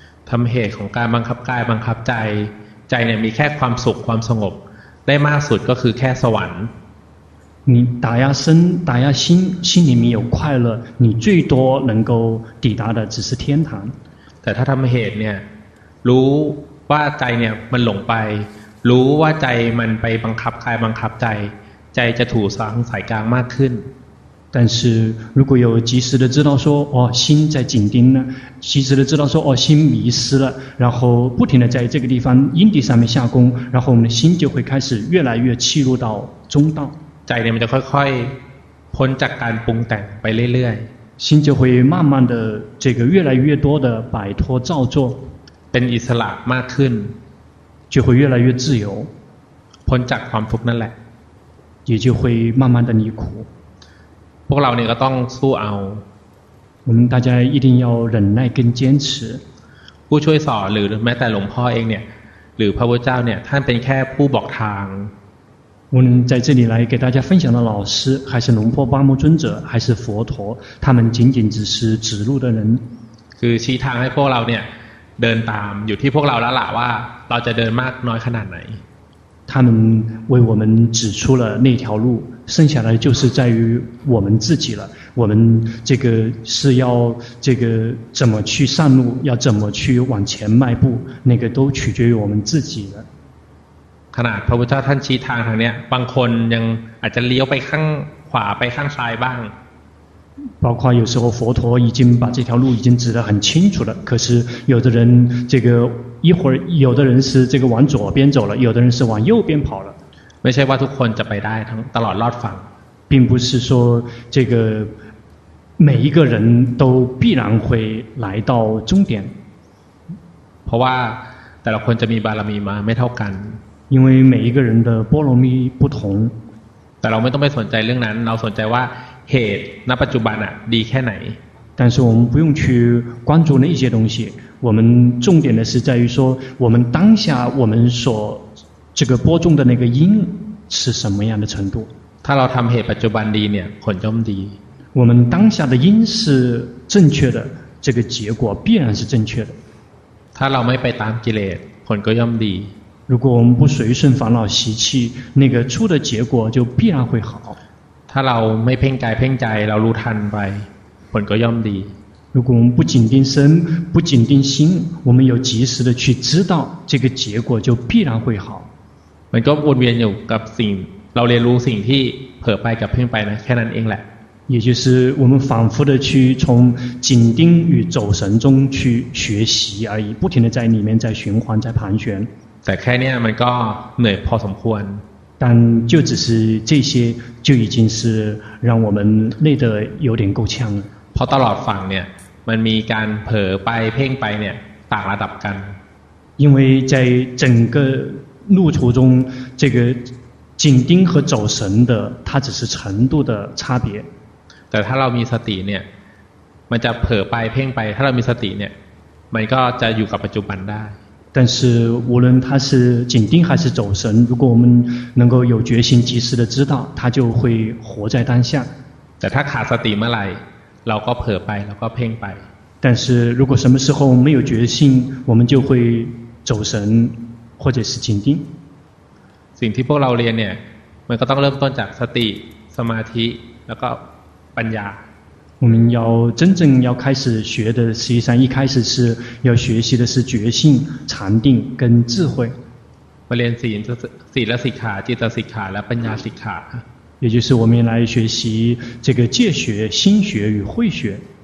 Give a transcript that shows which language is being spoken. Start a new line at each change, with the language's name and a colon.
Thai: ทำเหตุของการบังคับกายบังคับใจใจเนี่ยมีแค่ความสุขความสงบได้มากสุดก็คือแค่สวรรค์
Chinese: 你打压身打压心心里面有快乐你最多能够抵达的只是天堂
Thai: แต่ถ้าทำเหตุเนี่ยรู้ว่าใจเนี่ยมันหลงไปรู้ว่าใจมันไปบังคับกายบังคับใจใจจะถูกสังสายกลางมากขึ้น
Chinese: 但是如果有及时的知道说哦心在紧盯呢及时的知道说哦心迷失了然后不停的在这个地方因地上面下功然后我们的心就会开始越来越契入到中道
Thai: ใจเนี่ยมันจะค่อยๆพ้นจากการปรุงแต่งไปเรื่อย
Chinese: ๆ心就会慢慢的这个越来越多的摆脱造作
Thai: เป็นอิสระมากขึ้น
Chinese: 就会越来越自由
Thai: พ้นจากความทุกข์นั่นแหละ
Chinese: 也就会慢慢的离苦
Thai: พวกเราเนี่ยก็ต้องสู้เอา
Chinese: 我们大家一定要忍耐跟坚持
Thai: ผู้ช่วยสอนหรือแม้แต่หลวงพ่อเองเนี่ยหรือพระพุทธเจ้าเนี่ยท่านเป็นแค่ผู้บอกทาง
Chinese: 我们在这里来给大家分享的老师还是龙婆巴木尊者还是佛陀他们仅仅只是指路的人
Thai: คือชี้ทางให้พวกเราเนี่ยเดินตามอยู่ที่พวกเราแล้วล่ะว่าเราจะเดินมากน้อยขนาดไหน
Chinese: 他们为我们指出了那条路剩下来就是在于我们自己了我们这个是要这个怎么去上路要怎么去往前迈步那个都取决于我们自己了
Thai: ขนาดพระพุทธเจ้าท่านชี้ทางทางเนี้ยบางคนยังอาจจะเลี้ยวไปข้างขวาไปข้างซ้ายบ้าง
Chinese: 包括有时候佛陀已经把这条路已经指得很清楚了可是有的人这个一会儿有的人是这个往左边走了有的人是往右边跑了
Thai: ไม่ใช่ว่าทุกคนจะไปได้ทั้งตลอดรอดฟัง
Chinese: 并不是说这个每一个人都必然会来到终点
Thai: เพราะว่าแต่ละคนจะมีบารมีมาไม่เท่ากัน
Chinese: 因为每一个人的波罗蜜不同
Thai: แต่เราไม่ต้องไปสนใจเรื่องนั้นเราสนใจว่าเหตุณปัจจุบันอะดีแค่ไหน
Chinese: 但是我们不用去关注那些东西我们重点的是在于说我们当下我们所这个播种的那个因是什么样的程度
Thai: ถ้าเราทำเหตุปัจจุบันดีเนี่ยผลจะดี
Chinese: 我们当下的因是正确的这个结果必然是正确的
Thai: ถ้าเราไม่ไปตามกิเลสผลก็ย่อมดี
Chinese: 如果我们不随顺烦恼习气那个出的结果就必然会好
Thai: ถ้าเราไม่เพ่งกายเพ่งใจเรารู้ทันไปผลก็ย่อมดี
Chinese: 如果我们不紧盯身，不紧盯心，我们有及时的去知道这个结果，就必然会好。
Thai: มันก็วนเวียนอยู่กับสิ่งเราเรียนรู้สิ่งที่เผลอไปกับเพ่งไปนะแค่นั้นเองแหละ
Chinese: 也就是我们反复的去从紧盯与走神中去学习而已，不停的在里面在循环在盘旋。
Thai: แต่แค่นี้มันก็เหนื่อยพอสมควร。
Chinese: 但就只是这些就已经是让我们累得有点够呛了。
Thai: เพราะตลอดฝั่งเนี่ยมันมีการเผลอไปเพ่งไปเนี่ยต่างระดับกัน。
Chinese: 因为在整个路途中，这个紧盯和走神的，它只是程度的差别。
Thai: แต่ถ้าเรามีสติเนี่ยมันจะเผลอไปเพ่งไปถ้าเรามีสติเนี่ยมันก็จะอยู่กับปัจจุบันได้
Chinese: 但是无论他是紧盯还是走神如果我们能够有决心及时的知道他就会活在当下
Thai: แต่ถ้าขาดสติเมื่อไหร่เราก็เผลอไปเราก็เพ่งไป
Chinese: 但是如果什么时候没有决心我们就会走神或者是紧盯
Thai: สิ่งที่พวกเราเรียนเนี่ยมันก็ต้องเริ่มต้นจากสติสมาธิแล้วก็ปัญญา
Chinese: 我们要真正要开始学的实际上一开始是要学习的是觉性禅定跟智慧我们练习习了习卡接着习卡来奔下习卡也就是我们来学习这个戒学心学与慧学